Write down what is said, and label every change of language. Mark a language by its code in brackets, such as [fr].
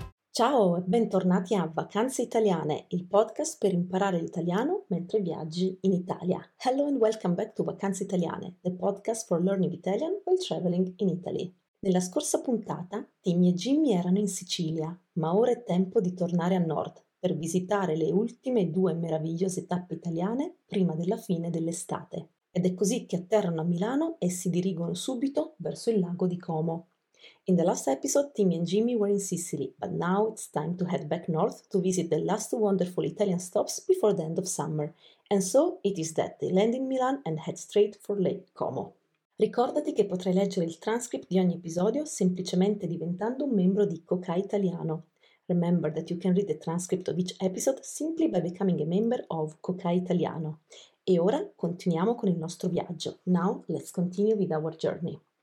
[it] Ciao e bentornati a Vacanze Italiane, il podcast per imparare l'italiano mentre viaggi in Italia. [en] Hello and welcome back to Vacanze Italiane, the podcast for learning Italian while traveling in Italy. [it] Nella scorsa puntata, Timmy e Jimmy erano in Sicilia, ma ora è tempo di tornare a nord per visitare le ultime due meravigliose tappe italiane prima della fine dell'estate. Ed è così che atterrano a Milano e si dirigono subito verso il lago di Como. [en] In the last episode, Timmy and Jimmy were in Sicily, but now it's time to head back north to visit the last wonderful Italian stops before the end of summer. And so it is that they land in Milan and head straight for Lake Como. [it] Ricordati che potrai leggere il transcript di ogni episodio semplicemente diventando un membro di Cocai Italiano. [en] Remember that you can read the transcript of each episode simply by becoming a member of Cocai Italiano. [it] E ora continuiamo con il nostro viaggio. [en] Now let's continue with our journey.